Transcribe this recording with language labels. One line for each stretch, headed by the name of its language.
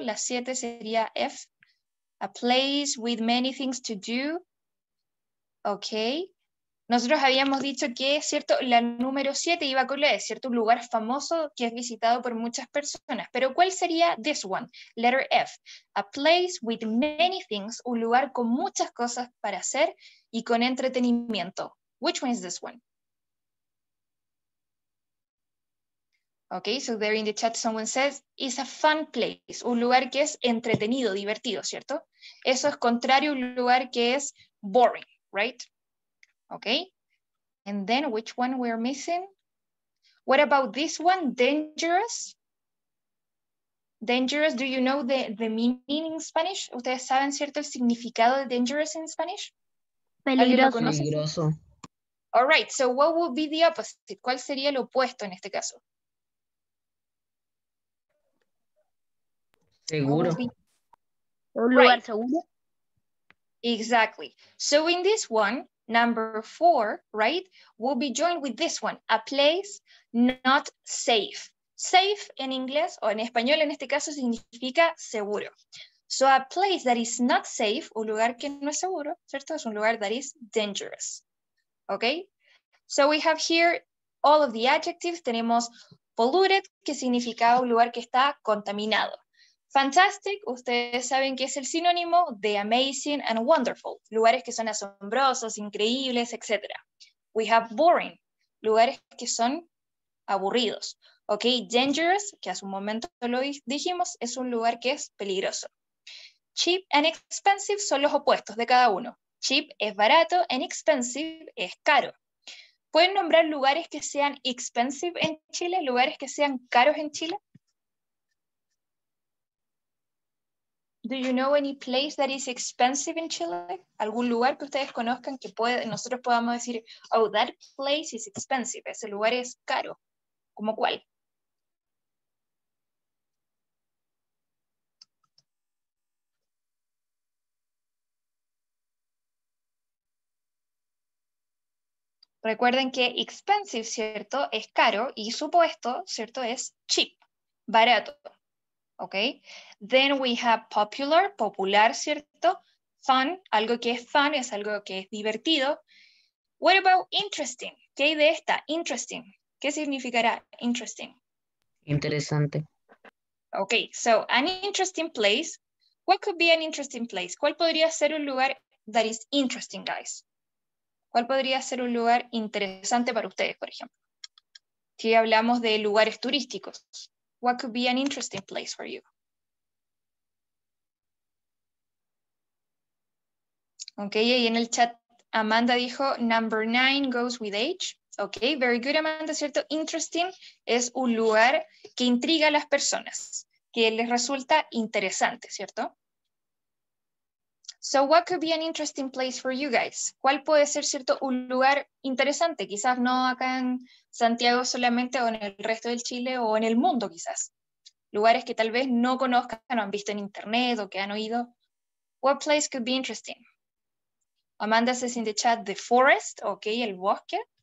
English: La 7 sería F, a place with many things to do. Ok.
Spanish: Nosotros habíamos dicho que, ¿cierto?, la número 7 iba con la E, ¿cierto?, un lugar famoso que es visitado por muchas personas. Pero ¿cuál sería
English: this one? Letter F, a place with many things,
Spanish: un lugar con muchas cosas para hacer y con entretenimiento.
English: Which one is this one? Okay, so there in the chat someone says, it's a fun place,
Spanish: un lugar que es entretenido, divertido, ¿cierto? Eso es contrario a un lugar que es boring, right?
English: Okay, and then which one we're missing? What about this one, dangerous? Dangerous, do you know the meaning in Spanish?
Spanish: ¿Ustedes saben, cierto, el significado de dangerous in Spanish? Peligroso.
English: All right, so what would be the opposite?
Spanish: ¿Cuál sería el opuesto en este caso? Seguro. Un lugar seguro.
English: Exactly. So in this one, number four, right, will be joined with this one, a place not safe.
Spanish: Safe en inglés, o en español en este caso, significa seguro.
English: So a place that is not safe,
Spanish: un lugar que no es seguro, ¿cierto? Es un lugar
English: that is dangerous.
Spanish: Okay?
English: So we have here all of the adjectives.
Spanish: Tenemos polluted, que significa un lugar que está contaminado. Fantastic, ustedes saben que es el sinónimo de amazing and wonderful, lugares que son asombrosos, increíbles, etc.
English: We have boring,
Spanish: lugares que son aburridos. Ok, dangerous, que hace un momento lo dijimos, es un lugar que es peligroso. Cheap and expensive son los opuestos de cada uno. Cheap es barato, and expensive es caro. ¿Pueden nombrar lugares que sean expensive en Chile, lugares que sean caros en Chile?
English: Do you know any place that is expensive in Chile?
Spanish: ¿Algún lugar que ustedes conozcan que puede, nosotros podamos decir,
English: oh, that place is expensive,
Spanish: ese lugar es caro? ¿Cómo cuál? Recuerden que expensive, ¿cierto?, es caro y supuesto, ¿cierto?, es cheap, barato.
English: Okay, then we have popular, popular, ¿cierto?
Spanish: Fun, algo que es fun, es algo que es divertido.
English: What about interesting?
Spanish: ¿Qué hay de esta? Interesting. ¿Qué significará interesting? Interesante.
English: Okay, so an interesting place. What could be an interesting place?
Spanish: ¿Cuál podría ser un lugar
English: that is interesting, guys?
Spanish: ¿Cuál podría ser un lugar interesante para ustedes, por ejemplo? Si hablamos de lugares turísticos.
English: What could be an interesting place for you?
Spanish: Okay, y en el chat Amanda dijo,
English: number nine goes with age. Okay, very good, Amanda, ¿cierto?
Spanish: Interesting es un lugar que intriga a las personas, que les resulta interesante, ¿cierto?
English: So what could be an interesting place for you guys?
Spanish: ¿Cuál puede ser, cierto, un lugar interesante? Quizás no acá en Santiago solamente, o en el resto del Chile, o en el mundo quizás. Lugares que tal vez no conozcan, no han visto en internet, o que han oído.
English: What place could be interesting? Amanda says in the chat, the forest, okay,
Spanish: el bosque.